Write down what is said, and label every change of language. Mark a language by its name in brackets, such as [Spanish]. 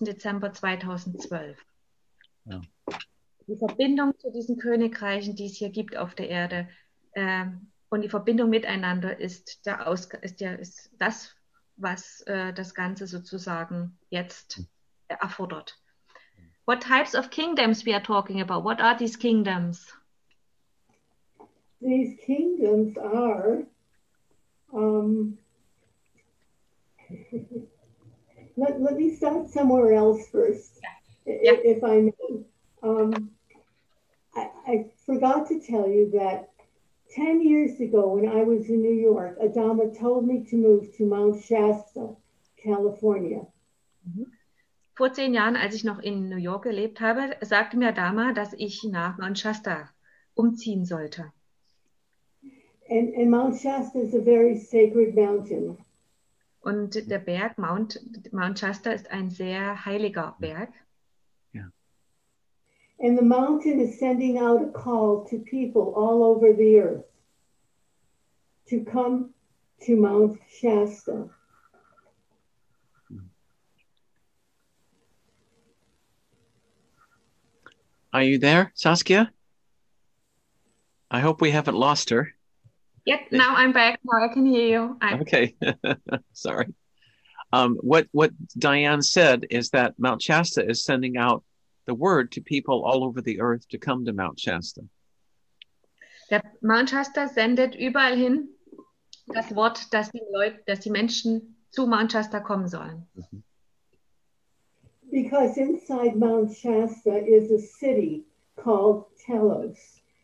[German] Dezember 2012. Ja. Die Verbindung zu diesen Königreichen, die es hier gibt auf der Erde und die Verbindung miteinander ist das, was das Ganze sozusagen jetzt erfordert. [English] What types of kingdoms we are talking about? What are these kingdoms? These kingdoms are let me start somewhere else first, if I may. I forgot to tell you that 10 years ago when I was in New York, Adama told me to move to Mount Shasta, California. [German] Vor 10 Jahren, als ich noch in New York gelebt habe, sagte mir Adama, dass ich nach Mount Shasta umziehen sollte. [English] And Mount Shasta is a very sacred mountain. [German] Und der Berg Mount Shasta ist ein sehr heiliger Berg. [English] Yeah. And the mountain is sending out a call to people all over the earth to come to Mount Shasta. Are you there, Saskia? I hope we haven't lost her. Yeah, now I'm back. Now I can hear you. Okay. Sorry. What Diane said is that Mount Shasta is sending out the word to people all over the earth to come to Mount Shasta. [German] Der Mount Shasta sendet überall hin das Wort, dass die Menschen zu Mount Shasta kommen sollen. [English] Because inside Mount Shasta is a city called Telos.